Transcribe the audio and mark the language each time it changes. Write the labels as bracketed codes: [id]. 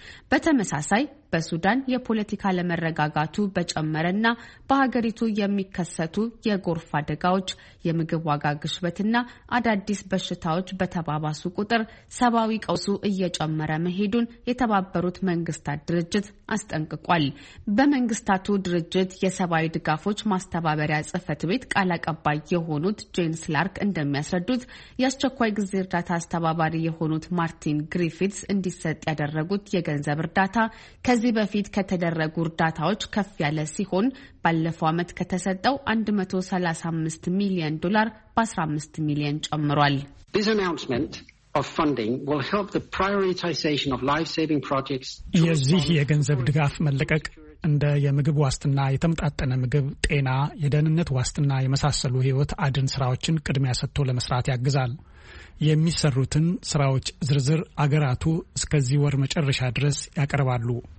[am] በተመሳሳይ በሱዳን የፖለቲካ ለመረጋጋቱ በጨመረና በሀገሪቱ የሚከሰቱ የጎርፍ አደጋዎች፣ የምግብ ዋጋ ግሽበትና አዳዲስ በሽታዎች በተባባሱ ቁጥር ሰብአዊ ቀውሱ እየጨመረ መሄዱን የተባበሩት መንግስታት ድርጅት አስጠንቅቋል። በመንግስታቱ ድርጅት የሰብአዊ ድጋፎች ማስተባበሪያ ጽህፈት ቤት ቃል አቀባይ የሆኑት ጄንስ ላርክ እንደሚያስረዱት የአስቸኳይ ጊዜ እርዳታ አስተባባሪ የሆኑት ማርት ማርቲን ግሪፊትስ እንዲሰጥ ያደረጉት የገንዘብ እርዳታ ከዚህ በፊት ከተደረጉ እርዳታዎች ከፍ ያለ ሲሆን ባለፈው አመት ከተሰጠው 135 ሚሊዮን ዶላር በ15 ሚሊዮን ጨምሯል። [en] This announcement of funding will help the prioritization of life-saving projects. [am] የዚህ የገንዘብ ድጋፍ መለቀቅ እንደ የምግብ ዋስትና፣ የተመጣጠነ ምግብ፣ ጤና፣ የደህንነት ዋስትና የመሳሰሉ ህይወት አድን ስራዎችን ቅድሚያ ሰጥቶ ለመስራት ያግዛል። የሚሰሩትን ስራዎች ዝርዝር አገራቱ እስከዚህ ወር መጨረሻ ድረስ ያቀርባሉ።